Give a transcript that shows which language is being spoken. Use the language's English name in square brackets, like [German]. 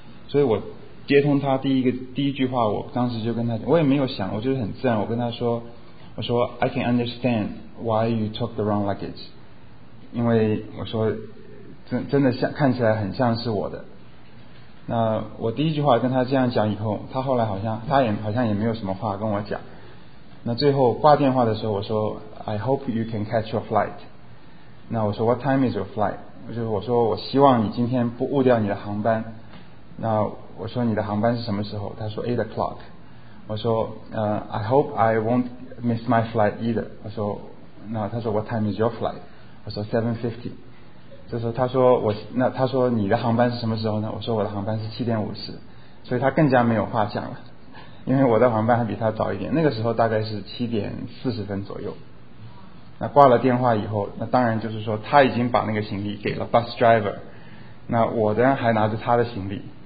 [Chinese] 所以我接通他第一句话，我当时就跟他讲，我也没有想，我就是很自然，我跟他说，我说 [English] I can understand why you took the wrong luggage， [Chinese] 因为我说真的像看起来很像是我的。那我第一句话跟他这样讲以后，他后来好像也没有什么话跟我讲。那最后挂电话的时候，我说 [English] I hope you can catch your flight。 [Chinese] 那我说 [English] What time is your flight？ [Chinese] 就是我说我希望你今天不误掉你的航班。那我说你的航班是什么时候？他说 [English] 8:00。 [Chinese] 我说 [English] I hope I won't miss my flight either。 [Chinese] 我说那他说 [English] What time is your flight？ [Chinese] 我说 7:50。这时候他说你的航班是什么时候呢？我说我的航班是7:50。所以他更加没有话讲了，因为我的航班还比他早一点，那个时候大概是7:40左右。那挂了电话以后，那当然就是说他已经把那个行李给了 bus driver， 那我的人还拿着他的行李。